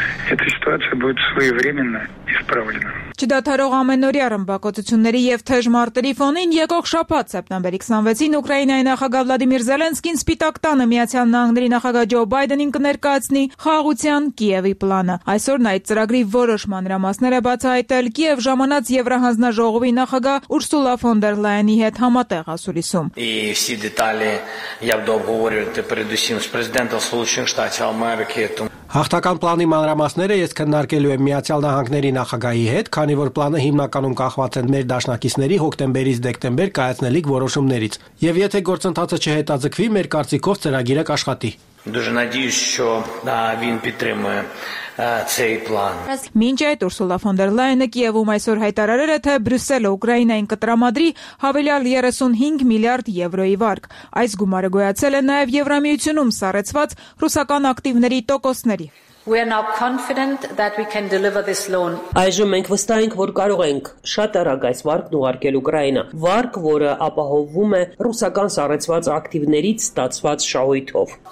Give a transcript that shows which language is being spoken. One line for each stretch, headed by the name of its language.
Russian: Эта ситуация будет своевременно исправлена.
Armenian: Չդադարող ամենօրյա ռմբակոծությունների եւ թեժմարտերի ֆոնին եկող շաբաթ սեպտեմբերի 26-ին Ուկրաինայի նախագահ Վլադիմիր Զելենսկին Սպիտակ տանը Միացյալ Նահանգների նախագահ Ջո Բայդենին կներկայացնի խաղաղության Կիևի պլանը։ Այսօր նա այդ ծրագրի որոշ մանրամասները բացահայտել Կիև ժամանած Եվրահանձնաժողովի նախագահ Ուրսուլա ֆոն դեր Լայենի հետ համատեղ ասուլիսում։
Russian: И все детали я буду обговаривать предусим с президентом Соединённых Штатов Америки.
Armenian: Հաղթական պլանի մանրամասները ես քննարկելու եմ Միացյալ Նահանգների նախագահի հետ, քանի որ պլանը հիմնականում կախված է մեր դաշնակիցների հոկտեմբերից դեկտեմբեր կայացնելիք որոշումներից։ Եվ եթե գործընթացը չհետաձգվի, մեր կարծիքով ծրագիրը կաշխատի։
Ukrainian: цей план.
Armenian: Մինչայտ Ուրսուլա ֆոն դեր Լայենը Կիևում այսօր հայտարարել է, թե Բրյուսելը Ուկրաինային կտրամադրի հավելյալ 35 միլիարդ եվրոյի վարկ։ Այս գումարը գոյացել է նաև Եվրամիությունում սառեցված ռուսական ակտիվների տոկոսների։
English: We are now confident that we can deliver this loan.
Armenian: Այժմ մենք վստահ ենք, որ կարող ենք շատ արագ այս վարկն ուղարկել Ուկրաինա, վարկ, որը ապահովվում է ռուսական սառեցված ակտիվներից ստացված շահույթով։